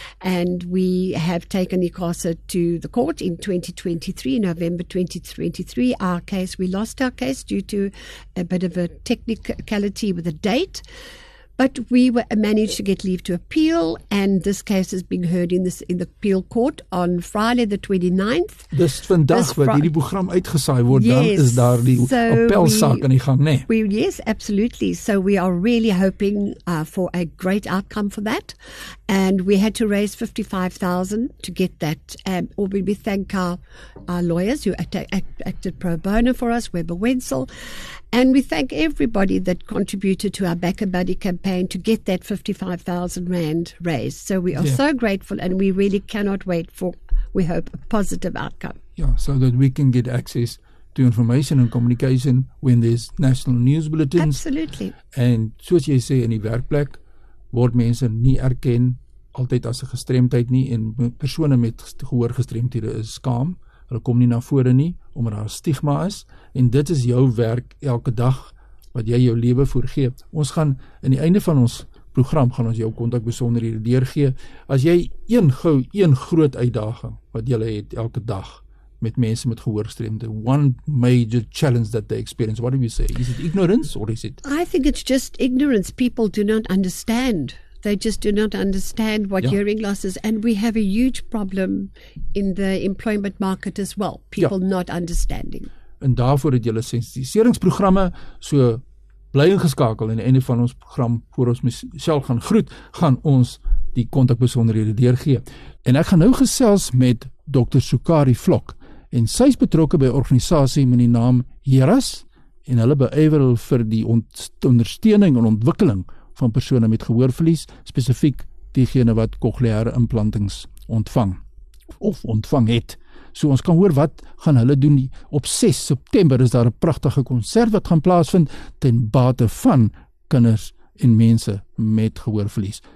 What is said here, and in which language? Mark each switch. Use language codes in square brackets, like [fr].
[en] And we have taken ICASA to the court in 2023, November 2023. Our case, we lost our case due to a bit of a technicality with a date. But we managed to get leave to appeal, and this case is being heard in the appeal court on Friday the 29th. [af] Dis vandag wat hierdie program uitgesaai word, [en] yes, [af] dan is daar die appelsaak aan die gang, né? [en] Well, yes, absolutely. So we are really hoping for a great outcome for that. And we had to raise 55,000 to get that. We thank our lawyers who acted pro bono for us, Weber Wenzel. And we thank everybody that contributed to our Back and Buddy campaign to get that 55,000 rand raised. So we are so grateful, and we really cannot wait for, we hope, a positive outcome. Yeah, so that we can get access to information and communication when there's national news bulletins. Absolutely. [af] And soos jy sê, in die werkplek word mense nie erken altyd as 'n gestremdheid nie, en persone met gehoor gestremdhede is skaam. Hulle kom nie na vore nie, omdat daar stigma is. En dit is jou werk elke dag wat jy jou lewe voorgee. Ons gaan in die einde van ons program gaan ons jou kontak besonderhede deurgee. As jy een groot uitdaging wat jy het elke dag met mense met gehoorgestremde, [en] one major challenge that they experience, what do you say? Is it ignorance or is it? I think it's just ignorance. People do not understand. They just do not understand what hearing loss is. And we have a huge problem in the employment market as well. People not understanding. [af] En daarvoor het julle sensitiseringsprogramme, so bly ingeskakel. En in die einde van ons program, voor ons myself gaan groet, gaan ons die kontakbesonderhede deurgee. En ek gaan nou gesels met Dr. Sukari Vlok. En sy is betrokke by 'n organisasie met die naam Heras. En hulle beywer vir die ondersteuning en ontwikkeling van persone met gehoorverlies, spesifiek diegene wat cochleaire implantings ontvang of ontvang het. So ons kan hoor wat gaan hulle doen. Op 6 September is daar 'n pragtige konsert wat gaan plaasvind ten bate van kinders en mense met gehoorverlies.